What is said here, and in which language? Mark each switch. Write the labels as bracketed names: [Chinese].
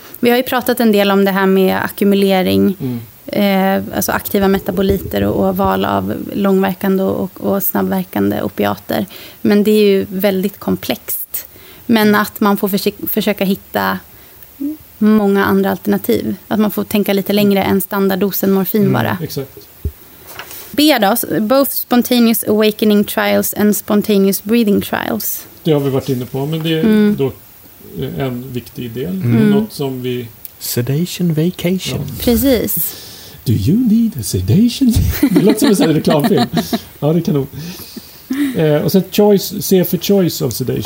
[Swedish] Vi har ju pratat en del om det här med ackumulering, alltså aktiva metaboliter och val av långverkande och snabbverkande opiater. Men det är ju väldigt komplext. Men att man får försöka hitta många andra alternativ. Att man får tänka lite längre än standarddosen morfin bara. Exakt. B då, [English] both spontaneous awakening trials and spontaneous breathing trials. [Swedish] Det har vi varit inne på, men det är då en viktig del. Något som vi... [English] Sedation vacation. [Swedish] Ja. Precis. [English] Do you need a sedation? [Swedish] Det låter som en sån reklamfilm. Ja, det kan nog... och sen [English] choice, C for choice of sedation.